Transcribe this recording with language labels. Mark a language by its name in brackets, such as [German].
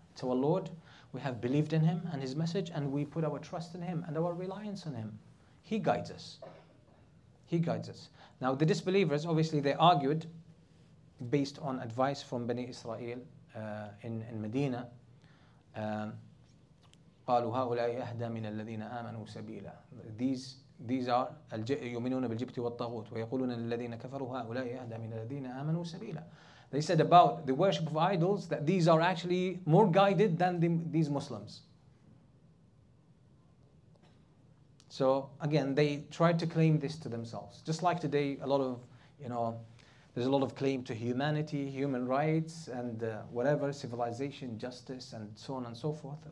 [English] To our Lord, we have believed in Him and His message and we put our trust in Him and our reliance on Him. He guides us. He guides us. Now the disbelievers, obviously they argued based on advice from Bani Israel in Medina. [Arabic] قَالُوا هَؤُلَاءِ أَهْدَى مِنَ الَّذِينَ آمَنُوا سَبِيلًا. [English] These are [Arabic] يؤمنون بالجبت والطاغوت ويقولون الذين كفروا هؤلاء أهدى من الذين آمنوا سبيلا. [English] They said about the worship of idols that these are actually more guided than these Muslims. So again, they tried to claim this to themselves. Just like today, a lot of, you know, there's a lot of claim to humanity, human rights, and whatever, civilization, justice, and so on and so forth.